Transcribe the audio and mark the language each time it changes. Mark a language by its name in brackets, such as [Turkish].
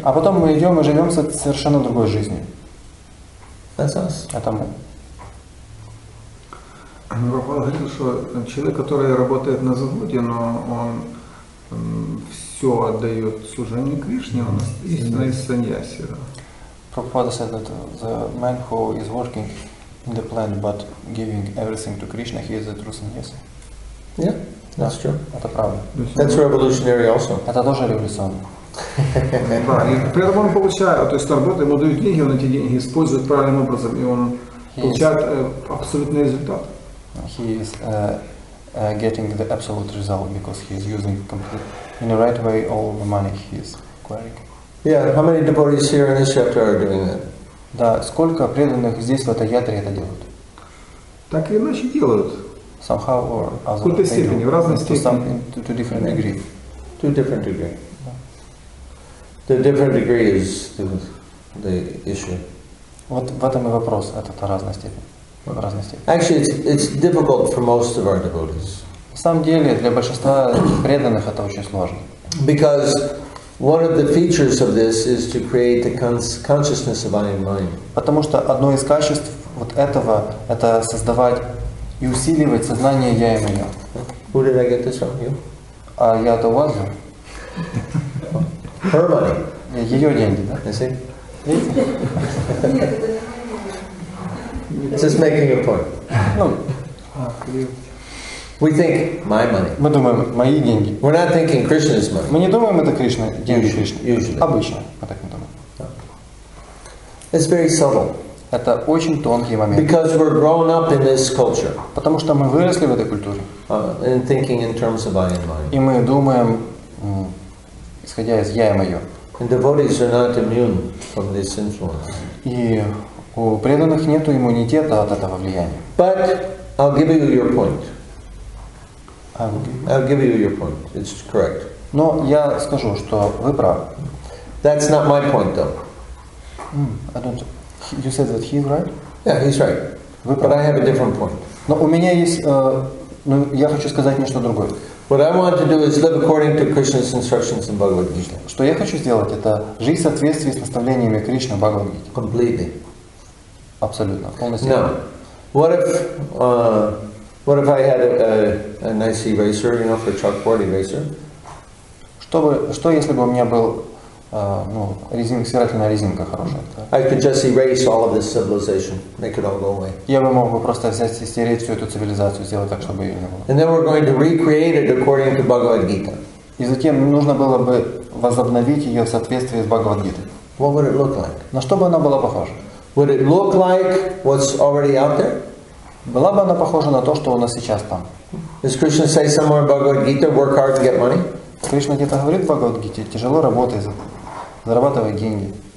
[Russian] А потом мы идем и живем совершенно другой жизнью. [English] That's us. [Russian] Это мы. Прабхупада говорил, что человек, который работает на заводе, но он все отдает служению Кришне, он истинный саньяси. [English] Прабхупада said that the man who is working in the plant but giving everything to Krishna, he is a true sannyasi. Yeah, that's true. [Russian] Это правда. [English] That's revolutionary also. [Russian] Это тоже революционно. Да, и при этом он получает, то есть работа, ему дают деньги, он эти деньги использует правильным образом, и он получает абсолютный результат. [English] He is getting the absolute result because he is using completely in the right way all the money he is acquiring. Yeah, how many devotees here in this chapter are doing that? [Russian] Да, сколько преданных здесь в этой ятре это делают? Так или иначе делают. [English] Somehow or other. [Russian] В какой-то степени, в разной степени. [English] To different degree. The different degree is the issue. [Russian] Вот в этом и вопрос, это та разная степень. [English] Actually, it's difficult for most of our devotees. [Russian] На самом деле, для большинства преданных это очень сложно. [English] Because one of the features of this is to create the consciousness of I am mine. [Russian] Потому что одно из качеств вот этого это создавать и усиливать сознание я и мое. [English] Who did I get this from? You? [Russian] А я это у вас же. [English] Her money. [Russian] Ее деньги, да? [English] You see? It's just making a point. We think my money. [Russian] Мы думаем мои деньги. [English] We're not thinking Krishna's money. [Russian] Мы не думаем это Кришна, деньги Кришны. [English] Usually. [Russian] Обычно мы так не думаем. [English] It's very subtle. [Russian] Это очень тонкий момент. [English] Because we're grown up in this culture. [Russian] Потому что мы выросли в этой культуре. [English] And thinking in terms of I and mine. [Russian] И мы думаем, исходя из я и мое. [English] And devotees are not immune from this influence. [Russian] И у преданных нет иммунитета от этого влияния. [English] But I'll give you your point. I'll give you your point. It's correct. [Russian] Но я скажу, что вы правы. [English] That's not my point, though. I don't. You said that he's right. Yeah, he's right. [Russian] Вы правы. [English] But I have a different point. [Russian] Но у меня есть. Ну, я хочу сказать нечто другое. [English] What I want to do is live according to Krishna's instructions in Bhagavad Gita. [Russian] Что я хочу сделать? Это жить в соответствии с наставлениями Кришны в Бхагавад Гите. [English] Completely. [Russian] Абсолютно. Полностью. [English] Now, what if I had a nice eraser, you know, for chalkboard eraser? [Russian] Что если бы у меня был стирательная резинка хорошая? [English] I could just erase all of this civilization, make it all go away. [Russian] Я бы мог бы просто взять и стереть всю эту цивилизацию, сделать так, чтобы ее не было. [English] And then we're going to recreate it according to Bhagavad Gita. [Russian] И затем нужно было бы возобновить ее в соответствии с Бхагавад Гитой. [English] What would it look like? [Russian] На что бы она была похожа? [English] Would it look like what's already out there? [Russian] Была бы она похожа на то, что у нас сейчас там? [English] Does Krishna say somewhere in Bhagavad Gita, work hard to get money? [Russian] Кришна где-то говорит в Бхагавад Гите, тяжело работай, зарабатывай деньги.